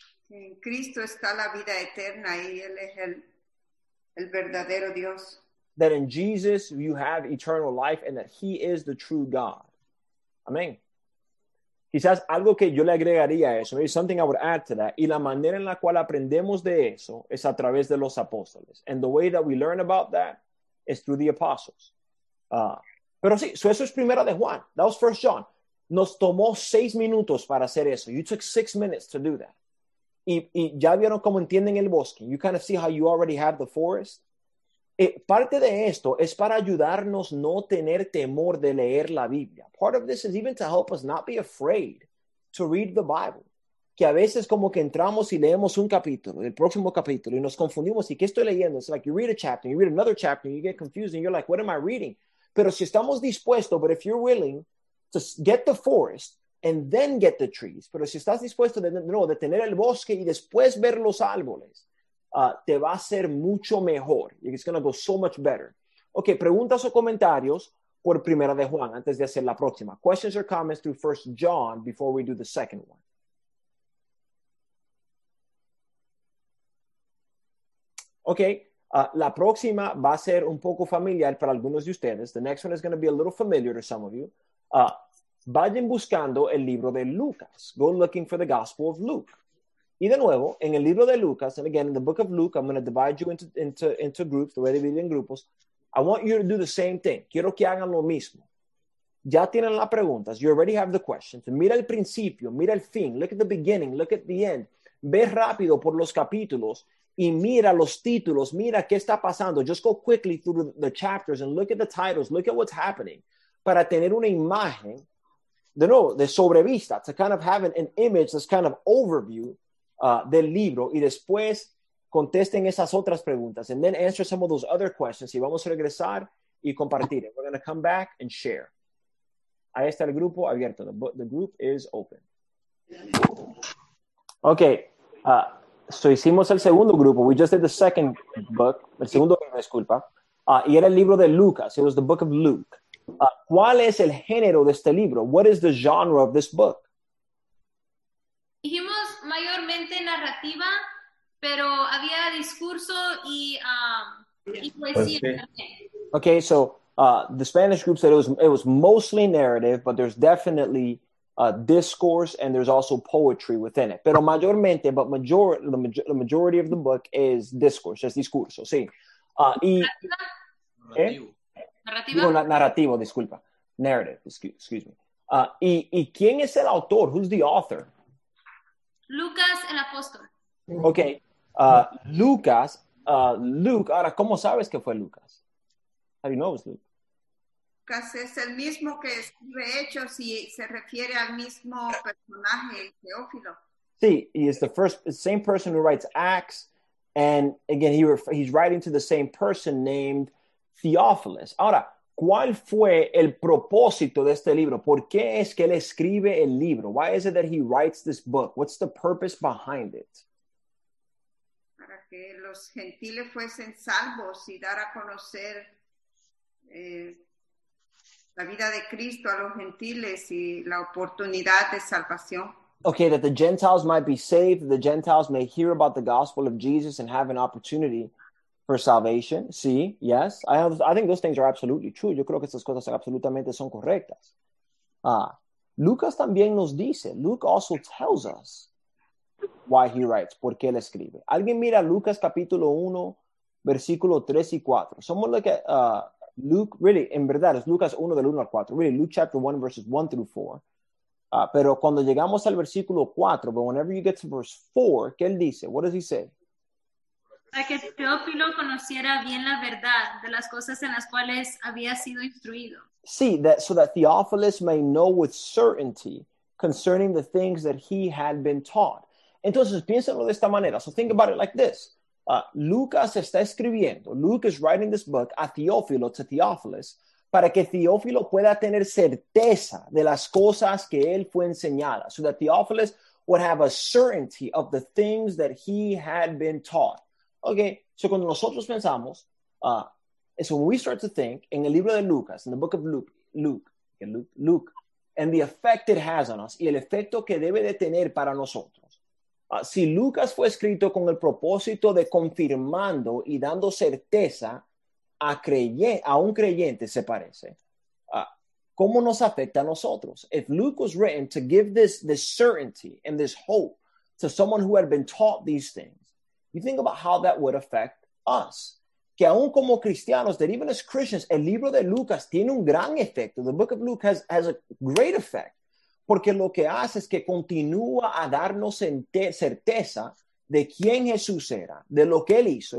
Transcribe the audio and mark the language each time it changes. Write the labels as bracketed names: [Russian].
[Spanish] En Cristo está la vida eterna y Él es el verdadero Dios. [English] That in Jesus you have eternal life and that He is the true God. Amén. [Spanish] Quizás algo que yo le agregaría a eso, [English] maybe something I would add to that, [Spanish] y la manera en la cual aprendemos de eso es a través de los apóstoles. [English] And the way that we learn about that is through the apostles. [Spanish] Pero sí, so eso es Primera de Juan. [English] That was First John. [Spanish] Nos tomó 6 minutos para hacer eso. [English] You took 6 minutes to do that. [Spanish] Y ya vieron cómo entienden el bosque. [English] You kind of see how you already have the forest. [Spanish] Parte de esto es para ayudarnos no tener temor de leer la Biblia. [English] Part of this is even to help us not be afraid to read the Bible. [Spanish] Que a veces como que entramos y leemos un capítulo, el próximo capítulo, y nos confundimos. ¿Y qué estoy leyendo? [English] It's like you read a chapter, you read another chapter, and you get confused, and you're like, what am I reading? [Spanish] Pero si estamos dispuestos, [English] but if you're willing to get the forest and then get the trees, [Spanish] pero si estás dispuesto de tener el bosque y después ver los árboles, te va a ser mucho mejor. [English] It's going to go so much better. [Spanish] Okay, preguntas o comentarios por Primera de Juan antes de hacer la próxima. [English] Questions or comments through First John before we do the second one. [Spanish] Okay, la próxima va a ser un poco familiar para algunos de ustedes. [English] The next one is going to be a little familiar to some of you. [Spanish] Vayan buscando el libro de Lucas. [English] Go looking for the Gospel of Luke. [Spanish] Y de nuevo, en el libro de Lucas, [English] and again, in the book of Luke, I'm going to divide you into groups, the way they divide in grupos. I want you to do the same thing. [Spanish] Quiero que hagan lo mismo. Ya tienen las preguntas. [English] You already have the questions. [Spanish] Mira el principio. Mira el fin. [English] Look at the beginning. Look at the end. [Spanish] Ve rápido por los capítulos y mira los títulos. Mira qué está pasando. [English] Just go quickly through the chapters and look at the titles. Look at what's happening. [Spanish] Para tener una imagen, de nuevo, de sobrevista, [English] to kind of have an image, this kind of overview [Spanish] del libro, y después contesten esas otras preguntas, [English] and then answer some of those other questions, [Spanish] y vamos a regresar y compartir. [English] We're going to come back and share. [Spanish] Ahí está el grupo abierto. [English] The group is open. Okay. So [Spanish] hicimos el segundo grupo. [English] We just did the second book. [Spanish] El segundo libro, disculpa. Y era el libro de Lucas. [English] It was the book of Luke. [Spanish] ¿Cuál es el género de este libro? [English] What is the genre of this book? [Spanish] Dijimos mayormente narrativa, pero había discurso y poesía. [English] Okay, so The Spanish group said it was mostly narrative, but there's definitely discourse and there's also poetry within it. [Spanish] Pero mayormente, [English] but the majority of the book is discourse, [Spanish] es discurso, sí. Narrativo, disculpa. [English] Narrative, excuse me. [Spanish] ¿Y quién es el autor? [English] Who's the author? [Spanish] Lucas el Apóstol. [English] Okay. [Spanish] Lucas, Luke, ahora, ¿cómo sabes que fue Lucas? [English] How do you know it was Luke? [Spanish] Lucas es el mismo que escribe Hechos y se refiere al mismo personaje, Teófilo. [English] Sí, he is the first, same person who writes Acts, and again, he's writing to the same person named Theophilus. [Spanish] Ahora, ¿cuál fue el propósito de este libro? ¿Por qué es que él escribe el libro? [English] Why is it that he writes this book? What's the purpose behind it? [Spanish] Para que los gentiles fuesen salvos y dar a conocer la vida de Cristo a los gentiles y la oportunidad de salvación. [English] Okay, that the Gentiles might be saved, the Gentiles may hear about the gospel of Jesus and have an opportunity for salvation. Sí, yes. I think those things are absolutely true. [Spanish] Yo creo que esas cosas absolutamente son correctas. Lucas también nos dice, [English] Luke also tells us why he writes, [Spanish] por qué él escribe. Alguien mira Lucas capítulo 1, versículo 3 y 4. [English] Someone look at Luke, really, [Spanish] en verdad, es Lucas 1 del 1 al 4. [English] Really, Luke chapter 1, verses 1 through 4. [Spanish] Pero cuando llegamos al versículo 4, [English] but whenever you get to verse 4, [Spanish] ¿qué él dice? [English] What does he say? [Spanish] Para que Teófilo conociera bien la verdad de las cosas en las cuales había sido instruido. [English] Sí, that, so that Theophilus may know with certainty concerning the things that he had been taught. [Spanish] Entonces, piénsalo de esta manera. [English] So think about it like this. [Spanish] Lucas está escribiendo, [English] Luke is writing this book [Spanish] a Teófilo, [English] to Theophilus, [Spanish] para que Teófilo pueda tener certeza de las cosas que él fue enseñada. [English] So that Theophilus would have a certainty of the things that he had been taught. Okay, so [Spanish] cuando nosotros pensamos, [English] so when we start to think in the libro de Lucas, in the book of Luke, and the effect it has on us, [Spanish] y el efecto que debe de tener para nosotros. Si Lucas fue escrito con el propósito de confirmando y dando certeza a un creyente, se parece, ¿cómo nos afecta a nosotros? [English] If Luke was written to give this certainty and this hope to someone who had been taught these things, you think about how that would affect us. [Spanish] Que aún como cristianos, [English] that even as Christians, [Spanish] el libro de Lucas tiene un gran efecto. [English] The book of Luke has a great effect. [Spanish] Porque lo que hace es que continúa a darnos certeza de quién Jesús era, de lo que él hizo.